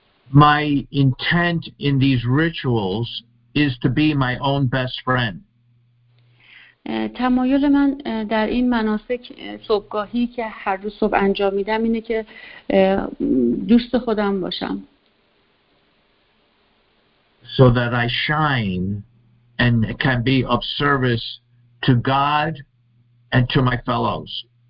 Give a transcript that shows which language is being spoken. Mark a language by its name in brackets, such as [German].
[English] My intent in these rituals is to be my own best friend. [Persian] تمایل من در این مناسک صبحگاهی که هر روز صبح انجام میدم اینه که دوست خودم باشم. [English] So that I shine and can be of service to God and to my fellows.